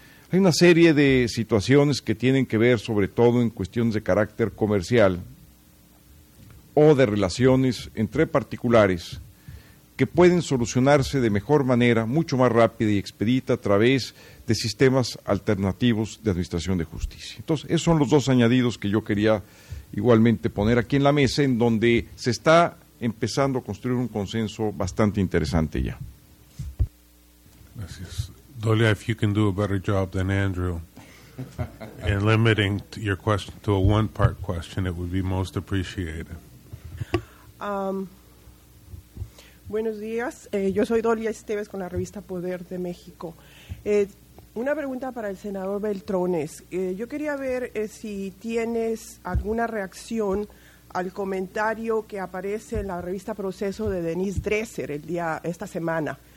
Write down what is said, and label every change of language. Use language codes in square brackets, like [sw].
[es] Hay una serie de situaciones que tienen que ver, sobre todo en cuestiones de carácter comercial o de relaciones entre particulares, que pueden solucionarse de mejor manera, mucho más rápida y expedita, a través de sistemas alternativos de administración de justicia. Entonces, esos son los dos añadidos que yo quería igualmente poner aquí en la mesa, en donde se está empezando a construir un consenso bastante interesante ya. Gracias. [en] Dolia, if you can do a better job than Andrew in limiting your question to a one-part question, it would be most appreciated. [es] Buenos días. Yo soy Dolia Esteves con la revista Poder de México. Una pregunta para el senador Beltrones. Yo quería ver si tienes alguna reacción al comentario que aparece en la revista Proceso de Denise Dresser esta semana.